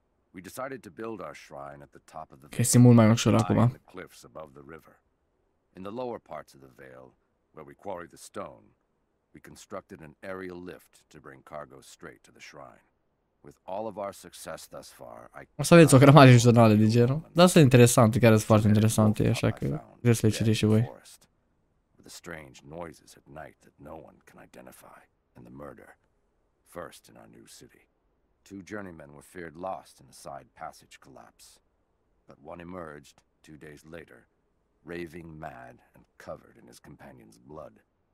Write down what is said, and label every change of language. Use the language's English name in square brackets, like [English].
[English] We decided to build our shrine at the top of the vale, the cliffs above the river. In the lower parts of the vale, where we quarried the stone, we constructed an aerial lift to bring cargo straight to the shrine. With all of our success thus far, I [Romanian] O să vedeți o grămadă de jurnale de genul. Dar sunt interesante, chiar sunt foarte interesante, așa că vreți să le citiți și voi. [English] With the strange noises at night that no one can identify, and the murder, first in our new city. Two journeymen were feared lost in a side passage collapse, but one emerged 2 days later, raving mad and covered in his companion's blood.